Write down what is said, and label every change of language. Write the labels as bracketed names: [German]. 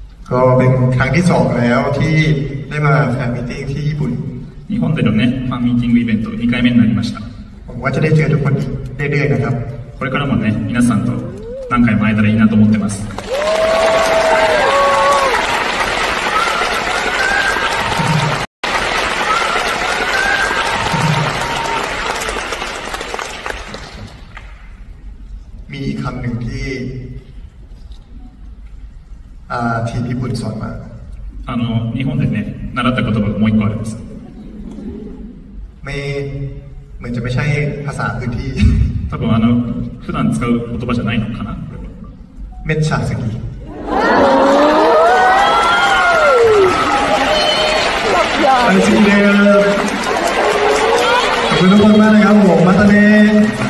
[Thai] ก็เป็นครั้งที่2แล้วที่ได้มาแฟนมีติ้งที่ญี่ปุ่น [Japanese] 日本でのねファンミーティングイベント2回目になりました。 [Thai] ผมว่าจะได้เจอทุกคนเรื่อยๆนะครับ [Japanese] これからもね皆さんと何回も会えたらいいなと思ってます。 [Thai] มีคำหนึ่งที่ทีมญี่ปุ่นสอนมา ญี่ปุ่นเนี่ย [Japanese] 習った言葉がもう一個あるんです。 [Thai] ไม่เหมือนจะไม่ใช่ภาษาพื้นที่ [Japanese] 多分普段使う言葉じゃないのかな。めっちゃ好き。楽しみです。僕の番組はもうまたね。